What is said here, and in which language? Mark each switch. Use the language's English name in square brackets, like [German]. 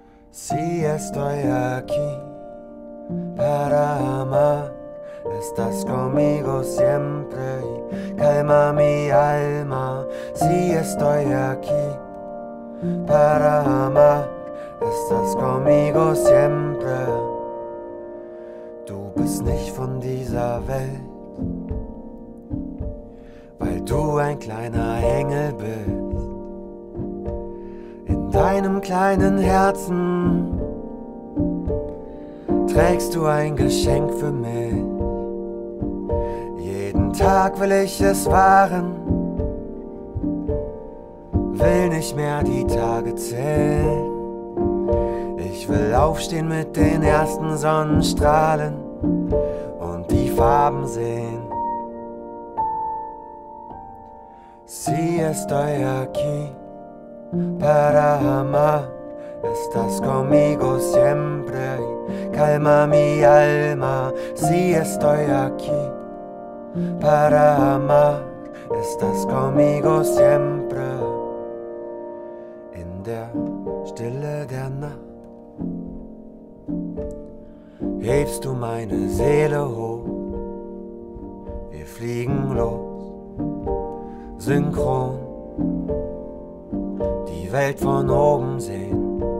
[Spanish] Si estoy aquí para amar, estás conmigo siempre y calma mi alma. Si estoy aquí para amar, estás conmigo siempre. [German] Du bist nicht von dieser Welt, weil du ein kleiner Engel bist. In deinem kleinen Herzen trägst du ein Geschenk für mich. Jeden Tag will ich es wahren, will nicht mehr die Tage zählen. Ich will aufstehen mit den ersten Sonnenstrahlen und die Farben sehen. [Spanish] Si estoy aquí para amar, estás conmigo siempre y calma mi alma. Si estoy aquí para amar, estás conmigo siempre. [German] In der Stille der Nacht hebst du meine Seele hoch. Wir fliegen los, synchron, die Welt von oben sehen.